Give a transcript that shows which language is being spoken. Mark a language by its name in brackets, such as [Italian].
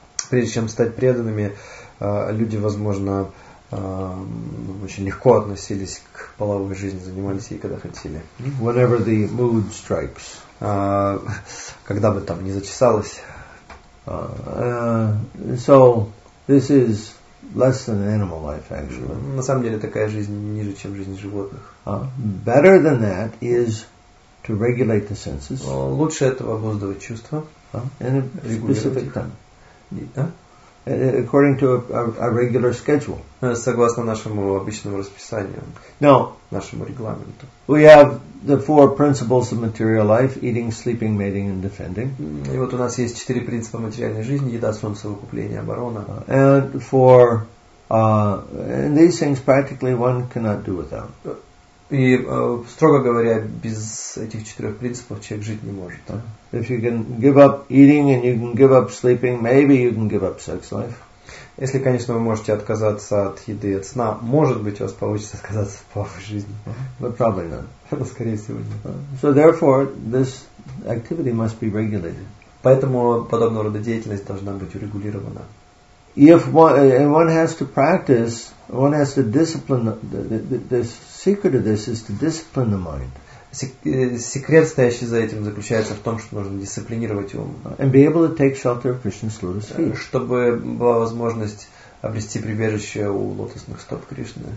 [Russian] Прежде чем стать преданными, люди, возможно, очень легко относились к половой жизни, занимались ей, когда хотели. [English] Whenever the mood strikes. [Russian] Когда бы там не зачесалось. [English] So this is less than animal life, actually. [Russian] На самом деле такая жизнь ниже, чем жизнь животных. [English] Better than that is to regulate the senses. [Russian] Лучше этого обуздывать чувства. [English] And a specific time. According to a regular schedule. [Russian] Согласно нашему обычному расписанию. [English] Now, [Russian] нашему регламенту. [English] We have the four principles of material life: eating, sleeping, mating, and defending. [Russian] И вот у нас есть четыре принципа материальной жизни: еда, солнце, выкупление, оборона. [English] And these things practically one cannot do without. [Russian] И строго говоря, без этих четырех принципов человек жить не может. [English] If you can give up eating and you can give up sleeping, maybe you can give up sex life. [Russian] Если, конечно, вы можете отказаться от еды и от сна, может быть, у вас получится отказаться от половой жизни. [English] But probably not. [Russian] Это скорее всего не. [English] So therefore, this activity must be regulated. [Russian] Поэтому подобного рода деятельность должна быть урегулирована. [English] If one has to practice, one has to discipline. The secret of this is to discipline the mind. [Russian] Секрет, стоящий за этим, заключается в том, что нужно дисциплинировать ум. [English] And be able to take shelter of Krishna's lotus feet. [Russian] Чтобы была возможность обрести прибежище у лотосных стоп Кришны.